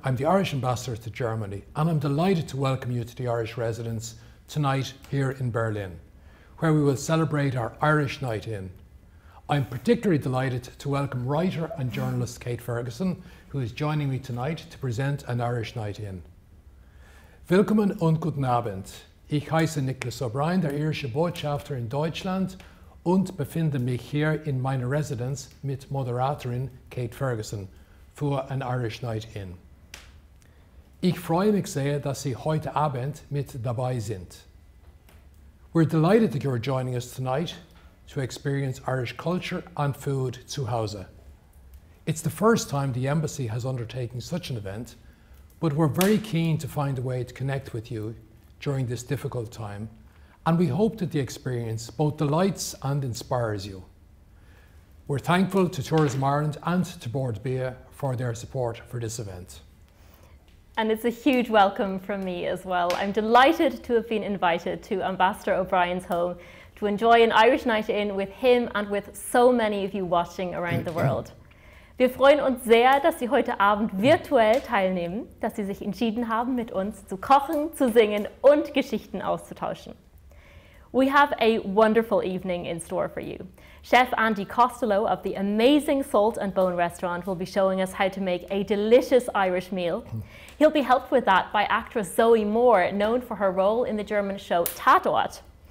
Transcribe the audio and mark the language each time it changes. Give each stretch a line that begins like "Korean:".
English: I'm the Irish ambassador to Germany, and I'm delighted to welcome you to the Irish Residence tonight here in Berlin, where we will celebrate our Irish Night In. I'm particularly delighted to welcome writer and journalist Kate Ferguson, who is joining me tonight to present an Irish Night In.
German: Willkommen und guten Abend. Ich heiße Nicholas O'Brien, der irische Botschafter in Deutschland, und befinde mich hier in meiner Residenz mit Moderatorin Kate Ferguson für an Irish Night In. Ich freue mich sehr, dass Sie heute Abend mit dabei sind.
English: We're delighted that you're joining us tonight to experience Irish culture and food
German: zu Hause.
English: It's the first time the embassy has undertaken such an event, but we're very keen to find a way to connect with you during this difficult time, and we hope that the experience both delights and inspires you. We're thankful to Tourism Ireland and to Bord Bia for their support for this event. And it's a huge welcome from me as well. I'm delighted to have been invited to Ambassador O'Brien's home to enjoy an Irish Night In with him and with so many of you watching around the world.
German: Wir freuen uns sehr, dass Sie heute Abend virtuell teilnehmen, dass Sie sich entschieden haben, mit uns zu kochen, zu singen und Geschichten auszutauschen.
English: We have a wonderful evening in store for you. Chef Andy Costello of the amazing Salt and Bone restaurant will be showing us how to make a delicious Irish meal. He'll be helped with that by actress Zoe Moore, known for her role in the German show Tatort.